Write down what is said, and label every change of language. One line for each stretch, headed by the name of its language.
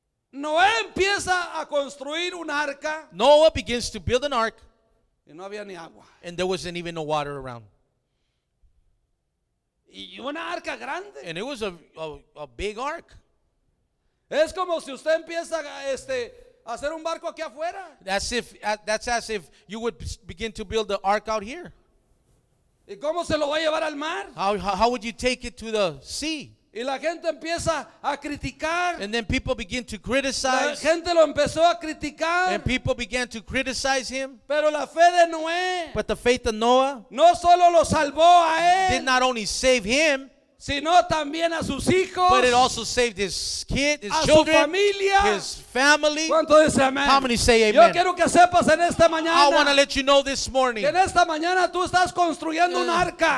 Spanish: Noé empieza a construir un arca.
English: Noah begins to build an ark.
Spanish: Y no había ni agua.
English: And there wasn't even no water around.
Spanish: Y una arca grande.
English: And it was a big ark.
Spanish: Es como si usted empieza a hacer un barco aquí afuera.
English: That's as if you would begin to build the ark out here.
Spanish: ¿Y cómo se lo va a llevar al mar?
English: How would you take it to the sea?
Spanish: Y la gente empieza a criticar.
English: And then people begin to criticize.
Spanish: La gente lo empezó a criticar.
English: And people began to criticize him.
Spanish: Pero la fe de Noé.
English: But the faith of Noah.
Spanish: No solo lo salvó a él.
English: Did not only save him.
Spanish: Sino también a sus hijos,
English: but it also saved his kid, his
Spanish: a
English: children,
Spanish: su familia,
English: his family.
Spanish: ¿Cuánto dice amén?
English: How many say amen?
Spanish: Yo quiero que sepas en esta mañana,
English: I want to let you know this morning
Spanish: que en esta mañana tú estás construyendo un arca.